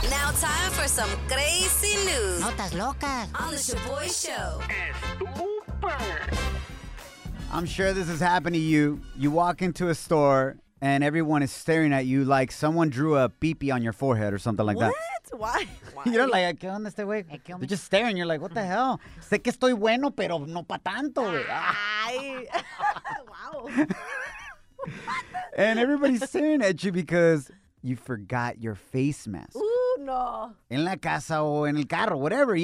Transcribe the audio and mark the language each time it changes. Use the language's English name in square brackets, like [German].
[English] Now time for some crazy news. [Spanish] Notas locas. [English] On the Shaboy Show. Estupor. I'm sure this has happened to you. You walk into a store and everyone is staring at you like someone drew a pee-pee on your forehead or something like what? That. Why? You're like, ¿qué onda este güey? They're just staring. You're like, what the hell? [Spanish] Sé que estoy bueno, pero no pa' tanto. Ay. Wow. [English] And everybody's staring at you because you forgot your face mask. Ooh, no. [Spanish] En la casa o en el carro, whatever.